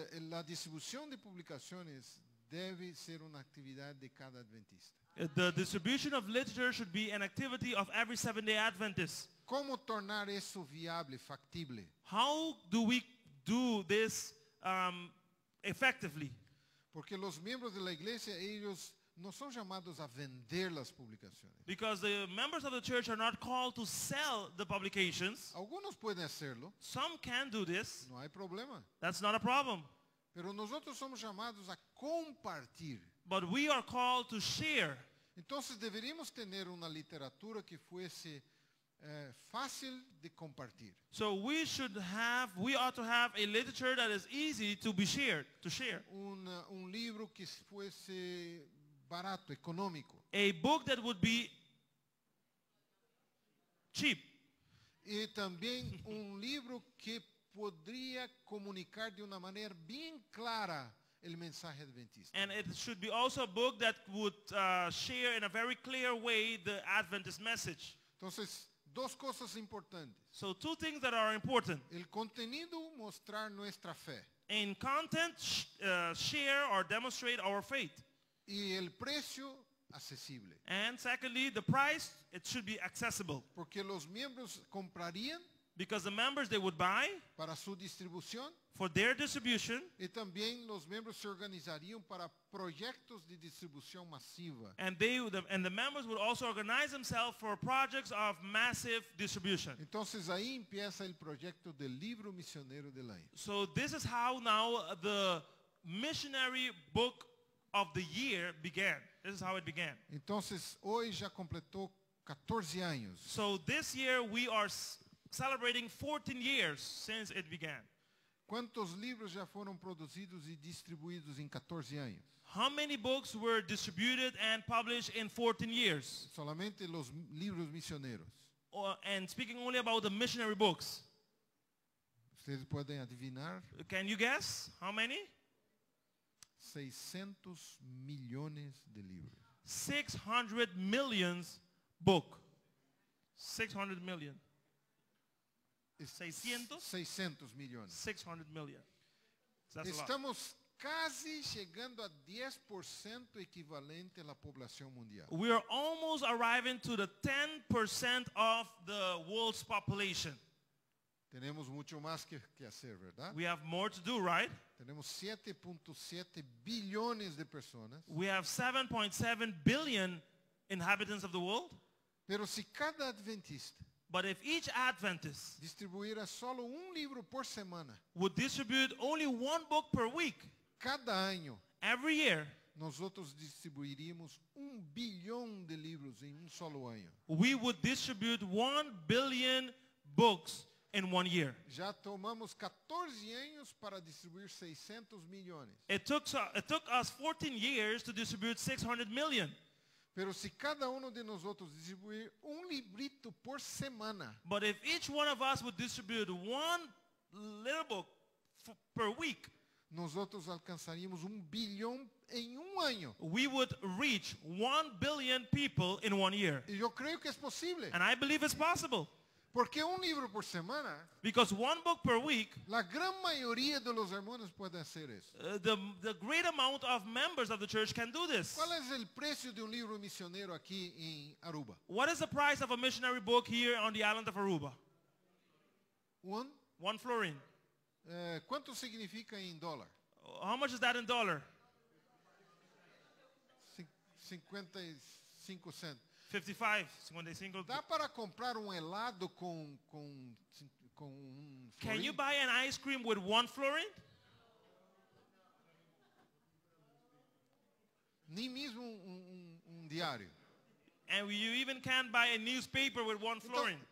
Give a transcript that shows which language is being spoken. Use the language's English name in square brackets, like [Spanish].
[Spanish] La distribución de publicaciones debe ser una actividad de cada adventista. [English] The distribution of literature should be an activity of every Seventh-day Adventist. [Spanish] ¿Cómo tornar eso viable, factible? [English] How do we do this effectively? [Spanish] Porque los miembros de la iglesia, ellos no son llamados a vender las publicaciones. [English] Because the members of the church are not called to sell the publications. [Spanish] Algunos pueden hacerlo. [English] Some can do this. [Spanish] No hay problema. [English] That's not a problem. [Spanish] Pero nosotros somos llamados a compartir. [English] But we are called to share. [Spanish] Entonces deberíamos tener una literatura que fuese fácil de compartir. [English] So we should have, we ought to have a literature that is easy to be shared, to share. [Spanish] Un libro que fuese barato, económico. [English] A book that would be cheap. [Portuguese] E também um livro que poderia comunicar de uma maneira bem clara o mensagem adventista. [English] And it should be also a book that would share in a very clear way the Adventist message. [Portuguese] Então, duas coisas importantes. [English] So two things that are important. [Portuguese] O conteúdo mostrar nossa fé. [English] In content share or demonstrate our faith. [Portuguese] E o preço acessível. [English] And secondly, the price, it should be accessible. [Portuguese] Porque os membros comprariam. [English] Because the members, they would buy. [Portuguese] Para sua distribuição. [English] For their distribution. [Portuguese] E também os membros se organizariam para projetos de distribução massiva. [English] And the members would also organize themselves for projects of massive distribution. [Portuguese] Então, aí começa o projeto do livro missioneiro de Lain. [English] So this is how now the missionary book of the year began. This is how it began. [Spanish] Entonces, hoy ya completó 14 años. [English] So this year we are celebrating 14 years since it began. [Spanish] ¿Cuántos libros ya fueron producidos y distribuidos en 14 años? [English] How many books were distributed and published in 14 years? [Spanish] Solamente los libros misioneros. [English] And speaking only about the missionary books. [Spanish] ¿Ustedes pueden adivinar? [English] Can you guess how many? [Spanish] 600 millones de libros. [English] 600 millions book. 600 million. [Spanish] 600 millones. [English] 600 million. That's [Spanish] Estamos [English] a lot. [Spanish] Casi llegando a 10% equivalente a la población mundial. [English] We are almost arriving to the 10% of the world's population. [Spanish] Tenemos mucho más que hacer, ¿verdad? [English] We have more to do, right? [Spanish] Tenemos 7.7 billones de personas. [English] We have 7.7 billion inhabitants of the world. [Spanish] Pero si cada adventista, [English] but if each Adventist, [Spanish] distribuiera solo un libro por semana, [English] would distribute only one book per week, [Spanish] cada año, [English] every year, [Spanish] nosotros distribuiríamos 1 billón de libros en un solo año. [English] We would distribute 1 billion books in 1 year. [Portuguese] Já tomamos 14 anos para distribuir 600 milhões. [English] It took us 14 years to distribute 600 million. [Spanish] Pero si cada uno de nosotros distribuir un librito por semana. [English] But if each one of us would distribute one little book per week, [Spanish] nosotros alcanzaríamos 1 billón en un año. [English] We would reach 1 billion people in 1 year. [Spanish] Y yo creo que es posible. [English] And I believe it's possible. [Spanish] Porque un libro por semana, [English] because one book per week, [Spanish] la gran mayoría de los hermanos puede hacer eso. [English] The great amount of members of the church can do this. [Spanish] ¿Cuál es el precio de un libro misionero aquí en Aruba? [English] What is the price of a missionary book here on the island of Aruba? One florin. [Spanish] ¿Cuánto significa en dólar? [English] How much is that in dollar? 55 cents. 55. [Portuguese] Dá para comprar um helado com um florin? [English] Can you buy an ice cream with one florin? [Portuguese] Nem mesmo diário. [English] And you even can't buy a newspaper with one florin.